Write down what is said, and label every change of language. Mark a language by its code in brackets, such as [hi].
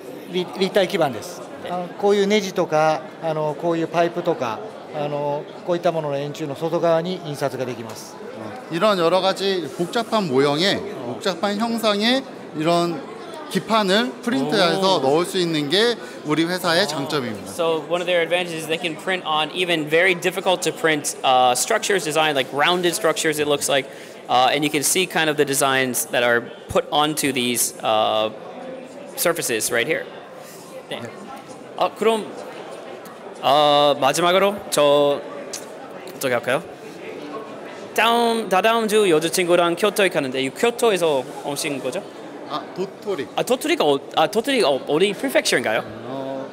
[ja] 교도電子が持ってる교도電子だけの技術点ここです。立体基板です。こういうネジとかこういうパイプとかこういったものの円柱の外側に印刷ができます。 [ko] 이런 여러 가지 복잡한 모형의 복잡한 형상의 이런 기판을 프린트해서 넣을 수 있는 게 우리 회사의 장점입니다. [en] So one of their advantages is they can print on even very difficult to print structures designed like rounded structures. It looks like, and you can see kind of the designs that are put onto these surfaces right here. [ko] 네. 아, 그럼 마지막으로 저 어떻게 할까요? 다다음 주 여자친구랑 쿄토에 가는데 쿄토에서 오신 거죠? 아, 도토리. 아, 도토리가 도토리가 어디 프리펙처인가요?